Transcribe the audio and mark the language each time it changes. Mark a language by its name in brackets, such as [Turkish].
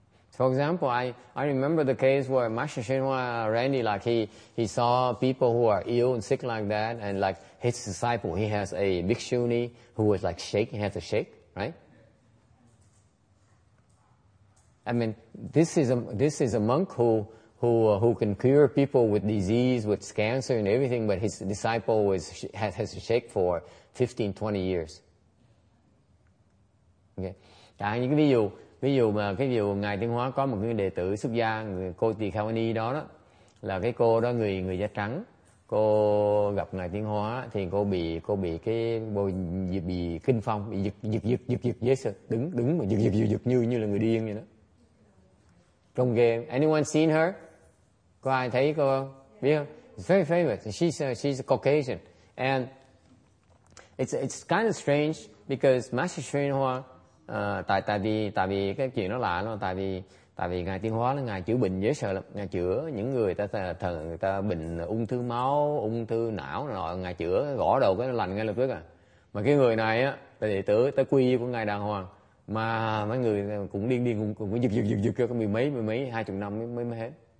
[English] For example, I remember the case where Master Shenhua Randy, like he saw people who are ill and sick like that, and like his disciple, he has a bhikshuni who was like shaking, he has a shake, right? I mean, this is a monk who can cure people with disease, with cancer and everything, but his disciple has to shake for 15, 20 years. Okay. [Vietnamese] Chẳng như cái ví dụ mà cái ví dụ ngài Tiên Hóa có một cái đệ tử xuất gia, người cô Tỳ Kheo Ni đó là cái cô đó người da trắng, cô gặp ngài Tiên Hóa thì cô bị cái kinh phong, bị giật dễ sợ, đứng mà giật như là người điên vậy đó. Trong game, [English] anyone seen her? [Vietnamese] Có ai thấy cô không? Yeah. Biết không? [English] It's very famous. She's a Caucasian, and it's kind of strange [Vietnamese] Because Master Srin Hoa, tại vì cái chuyện nó lạ nó, tại vì ngài Tiên Hóa là ngài chữa bệnh dễ sợ lắm, ngài chữa những người ta thần người ta bệnh ung thư máu, ung thư não rồi ngài chữa gõ đầu cái nó lành ngay lập tức à. Mà cái người này á, tại đệ tử tới quy của ngài đàng hoàng, mà mấy người cũng điên cũng giật cho có mười mấy 20 năm mới hết.